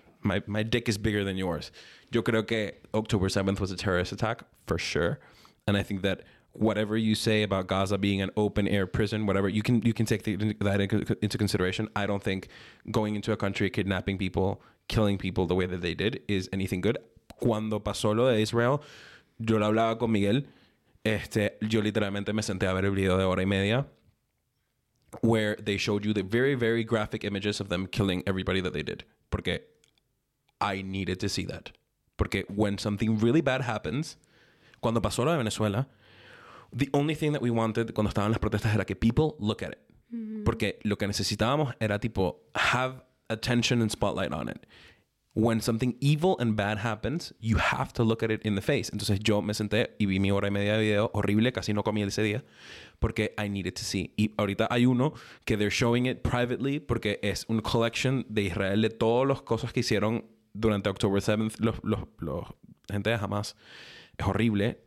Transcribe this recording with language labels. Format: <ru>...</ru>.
<en>My dick is bigger than yours.</en> <es>Yo creo que</es> <en>October 7th was a terrorist attack, for sure. And I think that whatever you say about Gaza being an open-air prison, whatever, you can take that into consideration. I don't think going into a country, kidnapping people, killing people the way that they did is anything good.</en> <es>Cuando pasó lo de Israel, yo lo hablaba con Miguel. Yo literalmente me senté a ver el video de hora y media</es> <en>where they showed you the very, very graphic images of them killing everybody that they did.</en> <es>Porque</es> <en>I needed to see that. Porque when something really bad happens,</en> <es>cuando pasó lo de Venezuela,</es> <en>the only thing that we wanted</en> <es>cuando estaban las protestas era que</es> <en>people look at it. Mm-hmm.</en> <es>Porque lo que necesitábamos era tipo</es> <en>have attention and spotlight on it. When something evil and bad happens, you have to look at it in the face.</en> <es>Entonces yo me senté y vi mi hora y media de video horrible, casi no comí ese día, porque</es> <en>I needed to see.</en> <es>Y ahorita hay uno que</es> <en>they're showing it privately</en> <es>porque es un collection de Israel de todas las cosas que hicieron durante</es> <en>October 7th,</en> <es>los gente de Hamas. Es horrible.</es>